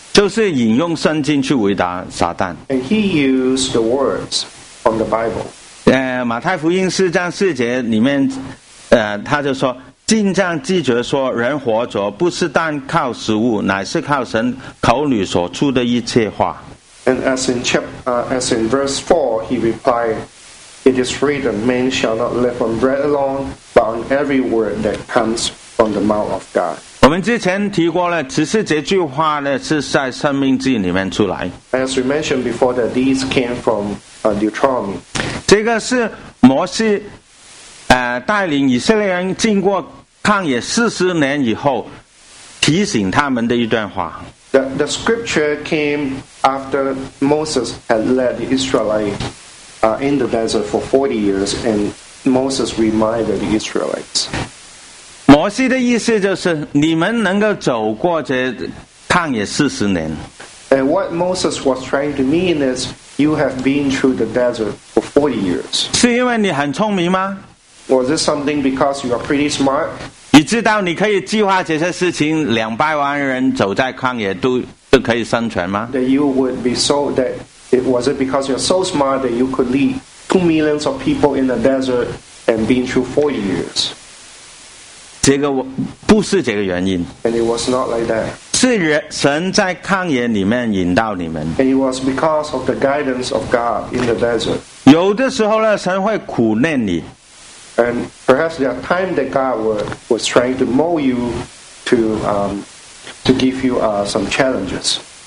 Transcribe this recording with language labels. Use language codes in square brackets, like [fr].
[zh] 就是引用圣经去回答撒旦。 [en] And he used the words. From the Bible. [zh] 马太福音四章四节里面他就说经上记着说人活着不是单靠食物乃是靠神口里所出的一切话。 [en] And as in verse 4, he replied, It is written, Man shall not live on bread alone, but on every word that comes from the mouth of God. [zh] 我们之前提过了，只是这句话呢是在《生命记》里面出来。 [en] As we mentioned before, that these came from Deuteronomy. [zh] 这个是摩西带领以色列人经过旷野四十年以后，提醒他们的一段话。 [en] The scripture came after Moses had led the Israelites in the desert for 40 years, and Moses reminded the Israelites. [zh] 摩西的意思就是，你们能够走过这旷野四十年。 [en] And what Moses was trying to mean is, you have been through the desert for 40 years. [zh] 是因为你很聪明吗？ [en] Was this something because you are pretty smart? [zh] 你知道你可以计划这些事情，两百万人走在旷野都可以生存吗？ [en] That you would be so that it was it because you're so smart that you could lead 2 millions of people in the desert and been through 40 years. [zh] 这个不是这个原因。 [en] And it was not like that. [zh] 是神在旷野里面引导你们。 [en] And it was because of the guidance of God in the desert. [zh] 有的时候呢，神会苦练你。 [en] And perhaps there are times that God was trying to mold you to give you some challenges.